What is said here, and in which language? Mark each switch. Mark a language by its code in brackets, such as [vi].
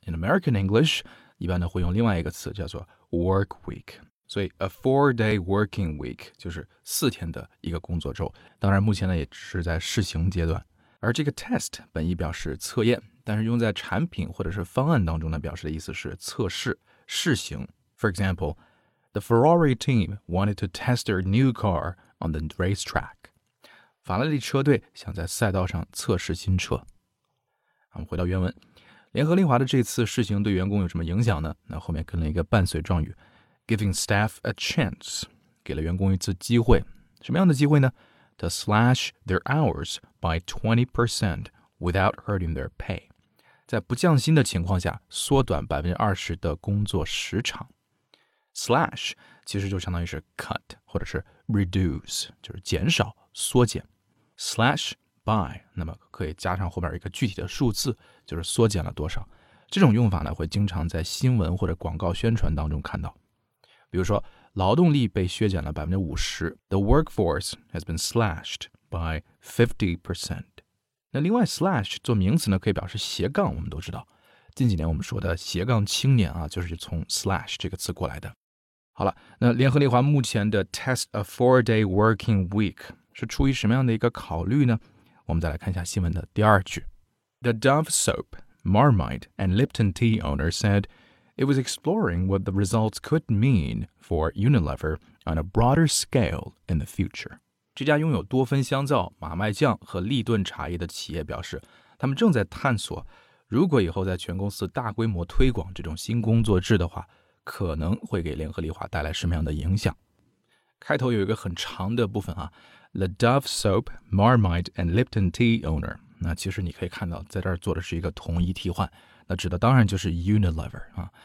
[en] In American English, [zh] 一般呢会用另外一个词叫做 work week。所以 [en] a four-day working week [zh] 就是四天的一个工作周。当然目前呢也是在试行阶段。而这个 test 本意表示测验，但是用在产品或者是方案当中呢表示的意思是测试、试行。 [en] For example,The Ferrari team wanted to test their new car on the racetrack. [zh] 法拉利车队想在赛道上测试新车。我们回到原文。联合利华的这次试行对员工有什么影响呢？那后面跟了一个伴随状语。 [en] Giving staff a chance. [zh] 给了员工一次机会。什么样的机会呢？ [en] To slash their hours by 20% without hurting their pay. [zh] 在不降薪的情况下缩短 20% 的工作时长。 Slash 其实就相当于是 cut 或者是 reduce 就是减少缩减 slash by 那么可以加上后面一个具体的数字就是缩减了多少这种用法呢会经常在新闻或者广告宣传当中看到比如说劳动力被削减了 50%。 [en] The workforce has been slashed by 50%。 [zh] 那另外 slash 做名词呢，可以表示斜杠，我们都知道近几年我们说的斜杠青年啊，就是从 slash 这个词过来的。好了，那联合利华目前的 [en] test a four-day working week [zh] 是出于什么样的一个考虑呢？我们再来看一下新闻的第二句。 [en] The Dove Soap, Marmite, and Lipton Tea owner said it was exploring what the results could mean for Unilever on a broader scale in the future. [zh] 这家拥有多芬香皂、马麦酱和利顿茶叶的企业表示，他们正在探索如果以后在全公司大规模推广这种新工作制的话，可能会给联合利华带来什么样的影响。开头有一个很长的部分啊， [en] The Dove Soap, Marmite, and Lipton Tea Owner， [zh] 那其实你可以看到在这儿做的是一个同义替换，那指的当然就是 Unilever 啊。